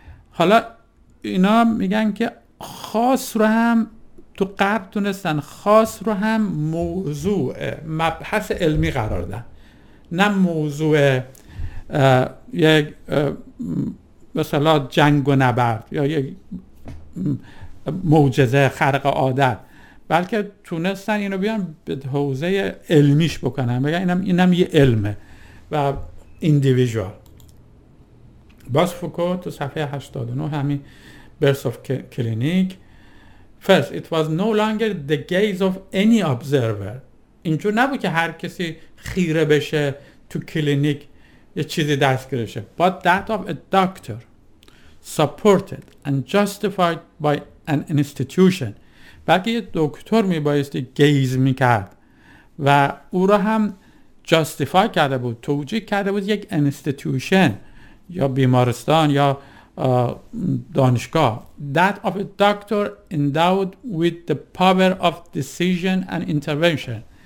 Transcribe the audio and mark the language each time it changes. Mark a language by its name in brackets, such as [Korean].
[Persian] حالا اینا میگن که خاص رو هم تو قرب تونستن، خاص رو هم موضوع مبحث علمی قرار دن، نه موضوع یک مثلا جنگ و نبرد یا یک معجزه خرق عادت، بلکه تونستن اینو بیان به حوزه علمیش بکنن، بگن اینم یه علمه و اندیویژوال. باز فوکو تو صفحه 89 همین Birth of Clinic. [English] First, it was no longer the gaze of any observer. [Persian] اینجور نبود که هر کسی خیره بشه تو کلینیک یه چیزی دستگیرشه. [English] But that of a doctor, supported and justified by an institution. [Persian] بلکه یه دکتر میبایستی گیز میکرد و او را هم جاستیفای کرده بود، توجیه کرده بود یک انستیتیوشن یا بیمارستان یا دانشگاه. [English] That of a doctor endowed with the power of decision and intervention.